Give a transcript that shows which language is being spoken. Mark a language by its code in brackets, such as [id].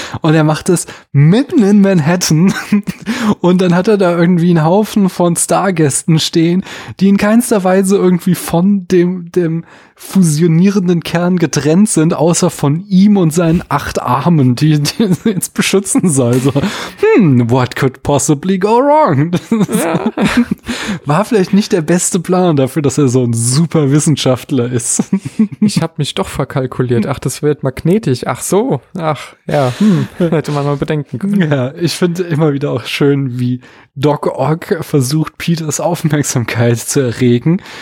[de] Und er macht es mitten in Manhattan und dann hat er da irgendwie einen Haufen von Stargästen stehen, die in keinster Weise irgendwie von dem fusionierenden Kern getrennt sind, außer von ihm und seinen 8 Armen, die jetzt beschützen soll. [en] So, what could possibly go wrong? [de] Ja. War vielleicht nicht der beste Plan dafür, dass er so ein super Wissenschaftler ist. Ich habe mich doch verkalkuliert. Ach, das wird magnetisch. Ach so. Ach, ja. Hätte man mal bedenken können. Ja, ich finde immer wieder auch schön, wie Doc Ock versucht, Peters Aufmerksamkeit zu erregen.